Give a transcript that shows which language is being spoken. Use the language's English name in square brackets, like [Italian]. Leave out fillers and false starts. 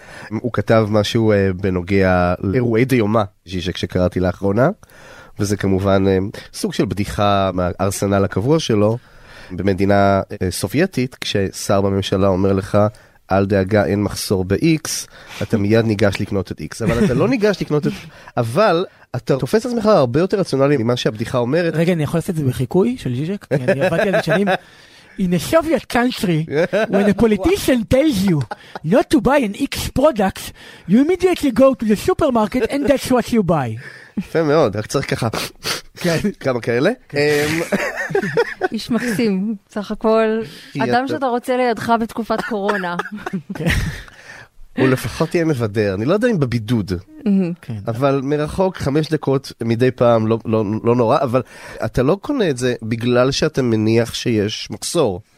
[Hebrew] הוא כתב משהו בנוגע לאירועי דיומה, ז'יז'ק, שקראתי לאחרונה, וזה כמובן סוג של בדיחה מהארסנל הקבוע שלו. במדינה סובייטית, כששר בממשלה אומר לך, אל דאגה, אין מחסור ב-X, אתה מיד ניגש לקנות את X. אבל אתה לא ניגש לקנות את... אבל אתה תופס את עצמך הרבה יותר רציונלי ממה שהבדיחה אומרת. רגע, אני יכול לעשות את זה בחיקוי של ז'יז'ק? אני עבדתי על זה שנים. [English] In a Soviet country, when a politician tells you not to buy an X product, you immediately go to the supermarket and that's what you buy. [Hebrew] יפה מאוד, רק צריך ככה, כמה כאלה. איש מקסים, סך הכל, אדם שאתה רוצה לידך בתקופת קורונה. הוא לפחות יהיה מבדר, אני לא יודע אם בבידוד, אבל מרחוק 5 דקות מדי פעם לא נורא, אבל אתה לא קונה את זה בגלל שאתה מניח שיש מחסור.